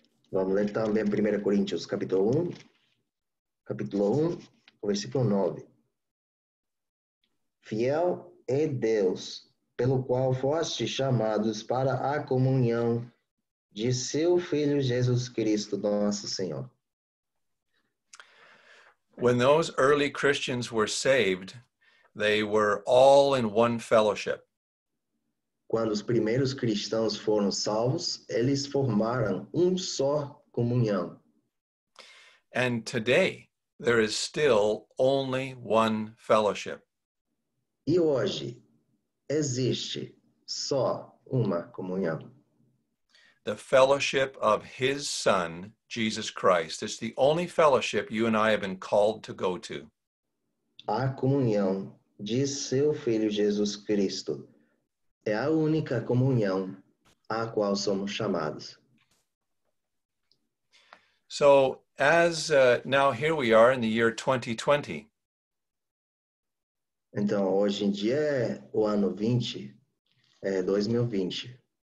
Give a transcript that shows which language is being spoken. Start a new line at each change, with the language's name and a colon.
Portuguese: Vamos ler também 1 Coríntios, capítulo 1, versículo 9. Fiel é Deus, pelo qual foste chamados para a comunhão de seu Filho Jesus Cristo, nosso Senhor.
English: When those early Christians were saved, they were all in one fellowship.
Portuguese: Quando os primeiros cristãos foram salvos, eles formaram só comunhão.
English: And today, there is still only one fellowship.
Portuguese: E hoje, existe só uma comunhão.
English: The fellowship of his son, Jesus Christ. It's the only fellowship you and I have been called to go to.
Portuguese: A comunhão de seu filho Jesus Cristo é a única comunhão a qual somos chamados.
English: So, as now here we are in the year 2020.
Portuguese: Então, hoje em dia é o ano 20, é 2020.